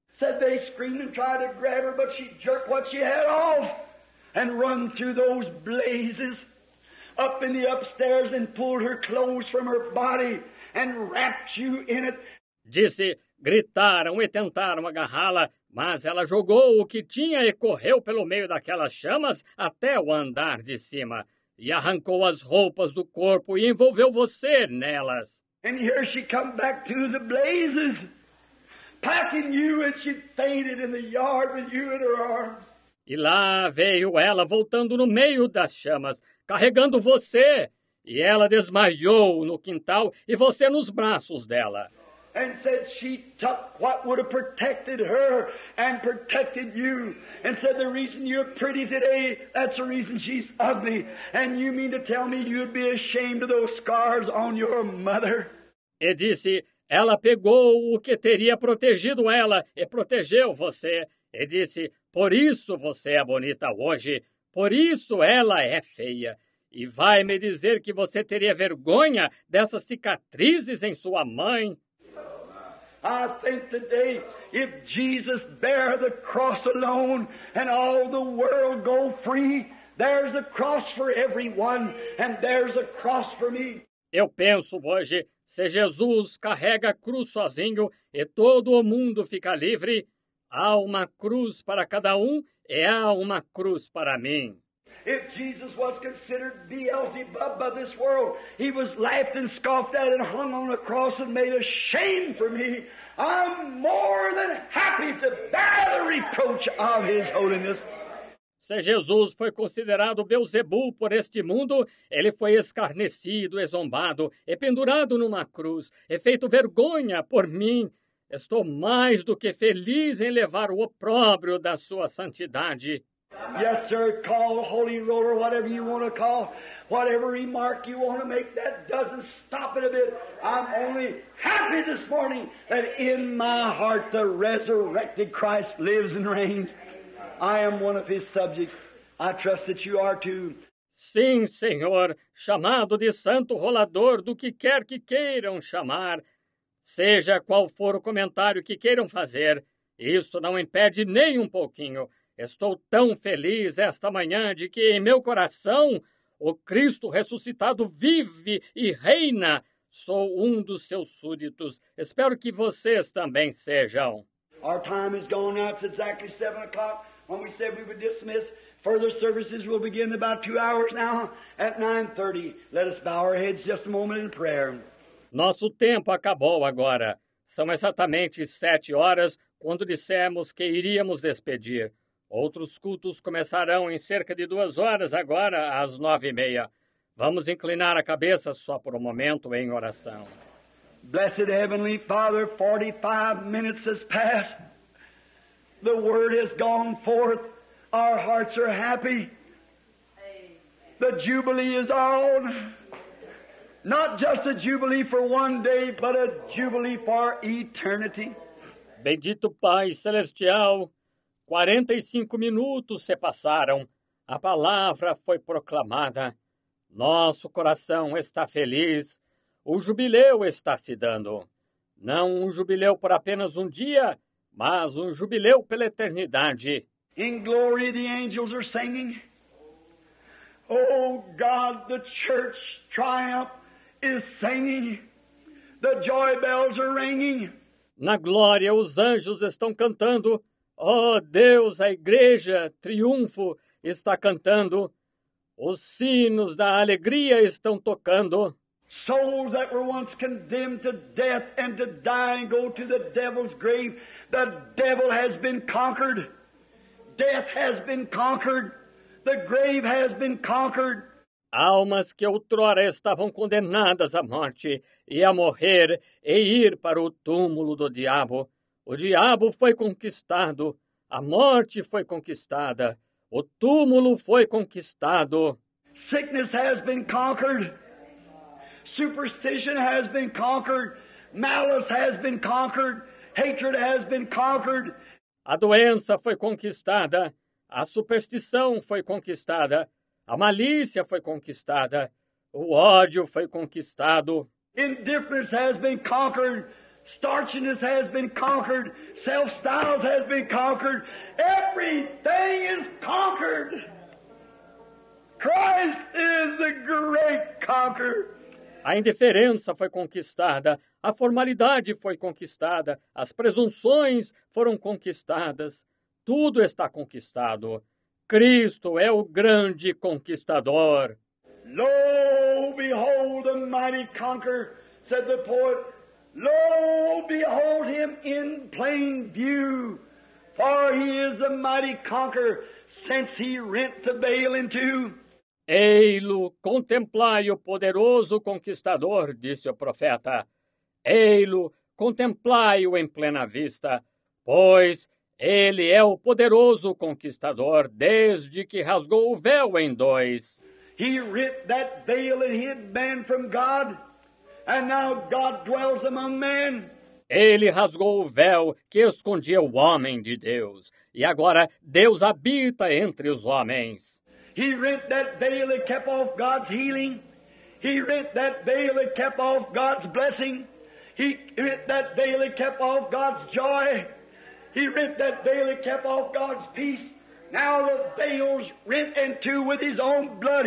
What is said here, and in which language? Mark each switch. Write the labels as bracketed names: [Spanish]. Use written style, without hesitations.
[English] Said they screamed and tried to grab her, but she jerked what she had off and run through those blazes up in the upstairs and pulled her clothes from her body and wrapped you in it. [Portuguese] Disse, gritaram e tentaram agarrá-la, mas ela jogou o que tinha e correu pelo meio daquelas chamas até o andar de cima. E arrancou as roupas do corpo e envolveu você nelas. [English] And here she come back to the blazes, packing you, and she fainted in the yard with you in her arms. [Portuguese] E lá veio ela voltando no meio das chamas, carregando você. E ela desmaiou no quintal e você nos braços dela. [English] and said she took what would have protected her and protected you, and said the reason you're pretty today, that's the reason she's ugly. And you mean to tell me you'd be ashamed of those scars on your mother? [Portuguese] E disse, ela pegou o que teria protegido ela e protegeu você. E disse, por isso você é bonita hoje, por isso ela é feia. E vai me dizer que você teria vergonha dessas cicatrizes em sua mãe? [English] I think today, if Jesus bear the cross alone and all the world go free, there's a cross for everyone and there's a cross for me. [Portuguese] Eu penso hoje, se Jesus carrega a cruz sozinho e todo o mundo fica livre, há uma cruz para cada um e há uma cruz para mim. [English] If Jesus was considered Beelzebub by this world, he was laughed and scoffed at and hung on a cross and made a shame for me. I'm more than happy to bear the reproach of his holiness. [Portuguese] Se Jesus foi considerado Beelzebu por este mundo, ele foi escarnecido, e zombado, e pendurado numa cruz, e feito vergonha por mim. Estou mais do que feliz em levar o opróbrio da sua santidade. [English] Yes, sir, call the holy roller, whatever you want to call, whatever remark you want to make, that doesn't stop it a bit. I'm only happy this morning that in my heart the resurrected Christ lives and reigns. I am one of his subjects. I trust that you are too. [Portuguese] Sim, Senhor, chamado de santo rolador, do que quer que queiram chamar, seja qual for o comentário que queiram fazer, isso não impede nem um pouquinho. Estou tão feliz esta manhã de que em meu coração o Cristo ressuscitado vive e reina. Sou um dos seus súditos. Espero que vocês também sejam. [English] Our time is gone now. It's exactly 7 o'clock when we said we would dismiss. Further services will begin in about 2 hours now at 9:30. Let us bow our heads just a moment in prayer. [Portuguese] Nosso tempo acabou agora. São exatamente 7 horas quando dissemos que iríamos despedir. Outros cultos começarão em cerca de 2 horas agora, às 9:30. Vamos inclinar a cabeça só por um momento em oração. [English] Blessed Heavenly Father, 45 minutes has passed. The word has gone forth. Our hearts are happy. The jubilee is on. Not just a jubilee for one day, but a jubilee for eternity. [Portuguese] Bendito Pai Celestial, 45 minutos se passaram, a palavra foi proclamada, nosso coração está feliz, o jubileu está se dando. Não um jubileu por apenas um dia, mas um jubileu pela eternidade. [English] In glory the angels are singing, oh God, the church triumph is singing, the joy bells are ringing. [Portuguese] Na glória os anjos estão cantando, oh, Deus, a igreja, triunfo, está cantando. Os sinos da alegria estão tocando. [English] Souls that were once condemned to death and to die and go to the devil's grave, the devil has been conquered. Death has been conquered. The grave has been conquered. [Portuguese] Almas que outrora estavam condenadas à morte e a morrer e ir para o túmulo do diabo. O diabo foi conquistado, a morte foi conquistada, o túmulo foi conquistado. [English] Sickness has been conquered, superstition has been conquered, malice has been conquered, hatred has been conquered. [Portuguese] A doença foi conquistada, a superstição foi conquistada, a malícia foi conquistada, o ódio foi conquistado. [English] Indifference has been conquered. Starchiness has been conquered. Self-styles has been conquered. Everything is conquered. Christ is the great conqueror. [Portuguese] A indiferença foi conquistada. A formalidade foi conquistada. As presunções foram conquistadas. Tudo está conquistado. Cristo é o grande conquistador. [English] Lo, behold, the mighty conqueror, said the poet. Lo, behold him in plain view, for he is a mighty conqueror, since he rent the veil in two. [Portuguese] Ei-lo, contemplai o poderoso conquistador, disse o profeta. Ei-lo, contemplai-o em plena vista, pois ele é o poderoso conquistador desde que rasgou o véu em dois. [English] He ripped that veil and hid man from God, and now God dwells among men. [Portuguese] Ele rasgou o véu que escondia o homem de Deus, e agora Deus habita entre os homens. [English] He ripped that veil and kept off God's healing. He ripped that veil and kept off God's blessing. He ripped that veil and kept off God's joy. He ripped that veil and kept off God's peace. Now the veil's rent in two with his own blood.